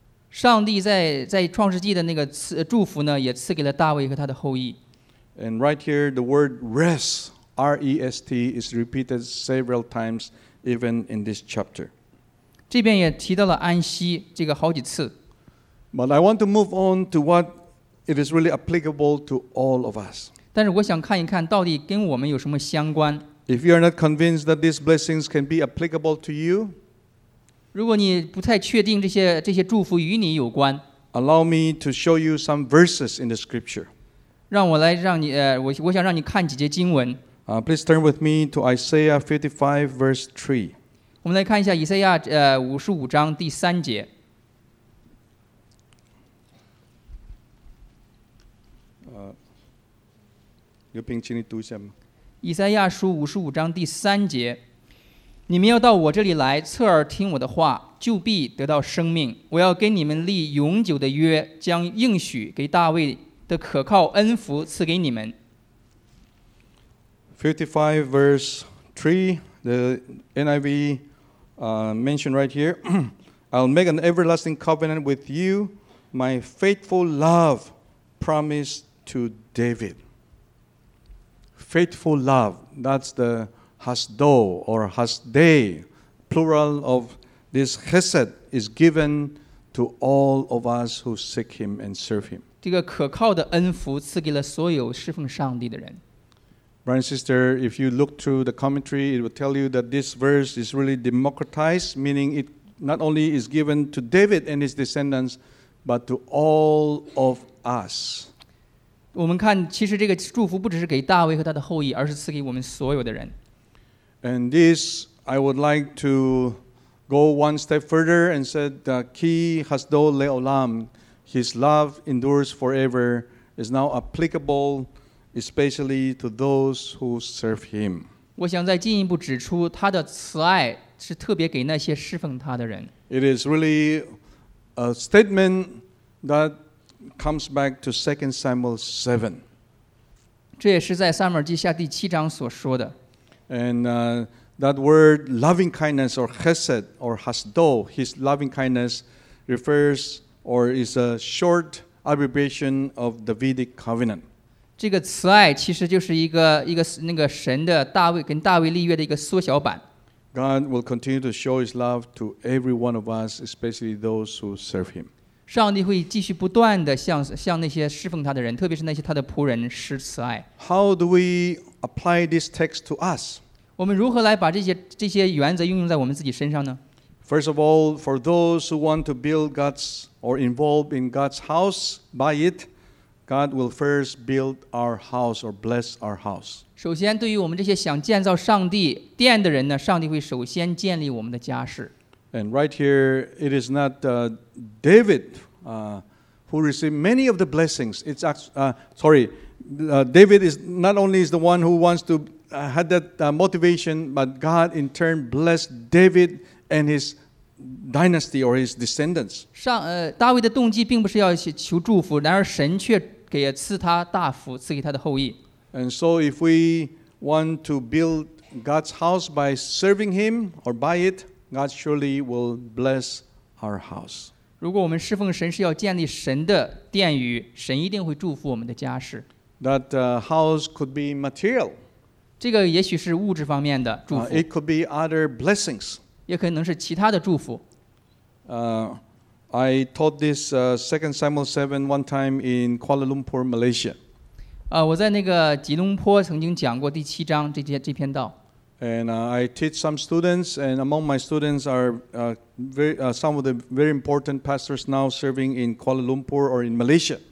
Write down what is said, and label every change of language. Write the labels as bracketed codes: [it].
[zh] 上帝在创世纪的那个祝福呢，也赐给了大卫和他的后裔。 [en] And right here, the word rest, R-E-S-T, is repeated several times, even in this chapter. [zh] 这边也提到了安息这个好几次。 [en] But I want to move on to what it is really applicable to all of us. [zh] 但是我想看一看到底跟我们有什么相关。 [en] If you are not convinced that these blessings can be applicable to you, [zh] 如果你不太确定这些祝福与你有关， [en] allow me to show you some verses in the scripture. [zh] 让我来让你我想让你看几节经文。 [en] Please turn with me to Isaiah 55 verse 3. [zh] 我们来看一下以赛亚55章第三节。刘平，请你读一下吗？以赛亚书五十五章第三节，你们要到我这里来，侧耳听我的话，就必得到生命。我要跟你们立永久的约，将应许给大卫的可靠恩福赐给你们。 [en] 55 verse 3, the NIV mentioned right here. I'll make an everlasting covenant with you, my faithful love promised to David. Faithful love, that's the hasdo or hasdei, plural of this chesed, is given to all of us who seek him and serve him. [zh] 这个可靠的恩福赐给了所有侍奉上帝的人。 [en] Brother and sister, if you look through the commentary, it will tell you that this verse is really democratized, meaning it not only is given to David and his descendants, but to all of us. [zh] 我们看，其实这个祝福不只是给大卫和他的后裔，而是赐给我们所有的人。 [en] And this, I would like to go one step further and said the key hasdo leolam, his love endures forever, is now applicable, especially to those who serve him. [zh] 我想再进一步指出，他的慈爱是特别给那些侍奉他的人。 [en] It is really a statement that. Comes back to 2 Samuel 7. [zh] 这也是在撒母耳记下第七章所说的。 [en] And that word loving kindness or chesed or hasdo, his loving kindness refers or is a short abbreviation of Davidic covenant. [zh] 这个慈爱其实就是一个那个神的大卫跟大卫立约的一个缩小版。 [en] God will continue to show his love to every one of us, especially those who serve him. [zh] 上帝会继续不断地 向那些侍奉他的人，特别是那些他的仆人施慈爱。 [en] How do we apply this text to us? [zh] 我们如何来把这些原则运用在我们自己身上呢？ [en] First of all, for those who want to build God's or involve in God's house, by it, God will first build our house or bless our house. [zh] 首先，对于我们这些想建造上帝殿的人呢，上帝会首先建立我们的家室。 [en] And right here, it is not David who received many of the blessings. It's David is not only is the one who wants to had that motivation, but God in turn blessed David and his dynasty or his descendants. [zh] 大卫的动机并不是要求祝福，然而神却给赐他大福，赐给他的后裔。 [en] And so, if we want to build God's house by serving Him or by it. God surely will bless our house. [zh] 如果我们侍奉神是要建立神的殿宇，神一定会祝福我们的家室。 [en] That house could be material. [zh] 这个也许是物质方面的祝福。 [en] It could be other blessings. [zh] 也可能是其他的祝福。 [en] I taught this 2 Samuel 7 one time in Kuala Lumpur, Malaysia. [zh] 我在那个吉隆坡曾经讲过第七章这篇道。 [en] And I teach some students, and among my students are some of the very important pastors now serving in Kuala Lumpur or in Malaysia.